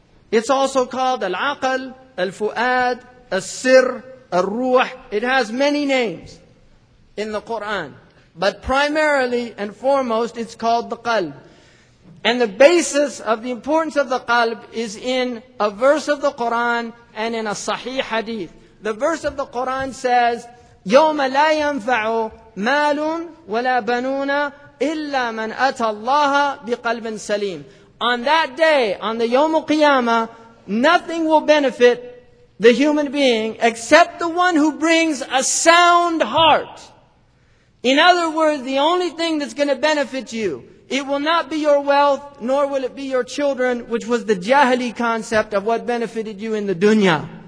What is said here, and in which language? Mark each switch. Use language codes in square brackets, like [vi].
[en] It's also called al-aql, al-fu'ad, al-sir, al-ruh. It has many names in the Quran. But primarily and foremost, it's called the qalb. And the basis of the importance of the qalb is in a verse of the Quran and in a sahih hadith. The verse of the Quran says, [ar] يَوْمَ لَا يَنْفَعُ مَالٌ وَلَا بَنُونَ إِلَّا مَنْ أَتَى اللَّهَ بِقَلْبٍ سَلِيمٍ. [en] On that day, on the Yawm al-Qiyamah, nothing will benefit the human being except the one who brings a sound heart. In other words, the only thing that's going to benefit you, it will not be your wealth, nor will it be your children, which was the jahili concept of what benefited you in the dunya.